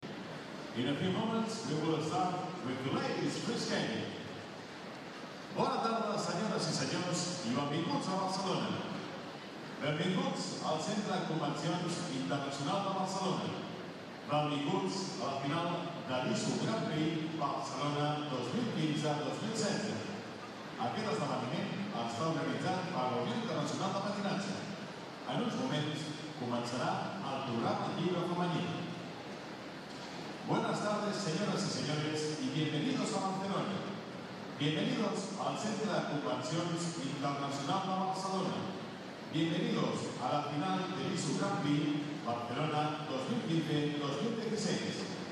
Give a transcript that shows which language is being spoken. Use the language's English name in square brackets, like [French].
[English] In a few moments, we will start with the ladies, Chris Kane. [Catalan] Bona tarda, senyores i senyors, i benvinguts a Barcelona. Benvinguts al Centre de Convencions Internacional de Barcelona. Benvinguts a la final de l'ISU Gran Prix Barcelona 2015-2016. Aquest esdeveniment està organitzat per la Unió Internacional de Patinatge. En uns moments començarà el programa lliure femení. [Spanish] Buenas tardes, señoras y señores, y bienvenidos a Barcelona. Bienvenidos al Centro de Convenciones Internacional de Barcelona. Bienvenidos a la final de ISU Gran Prix Barcelona 2015-2016.